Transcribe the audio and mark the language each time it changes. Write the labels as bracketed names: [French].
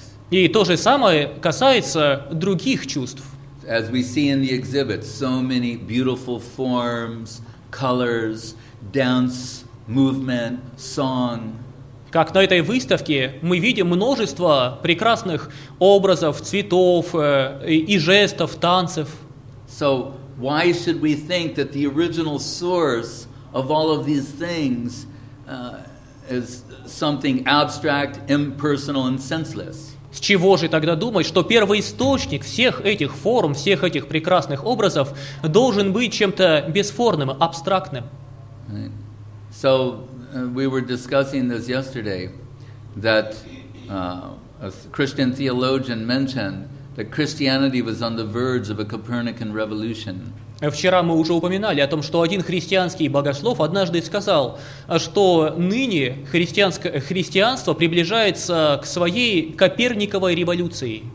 [Russian] И то же самое касается других чувств. [English] As we see in the exhibit, so many beautiful forms, colors, dance, movement, song. [Russian] Как на этой выставке мы видим множество прекрасных образов, цветов и жестов, танцев. [English] So why should we think that the original source of all of these things is something abstract, impersonal, and senseless? [Russian] С чего же тогда думать, что первоисточник всех этих форм, всех этих прекрасных образов должен быть чем-то бесформенным, абстрактным? [English] Right. So we were discussing this yesterday, that a Christian theologian mentioned that Christianity was on the verge of a Copernican revolution. [Russian] Вчера мы уже упоминали о том, что один христианский богослов однажды сказал, что ныне христианство приближается к своей Коперниковой революции.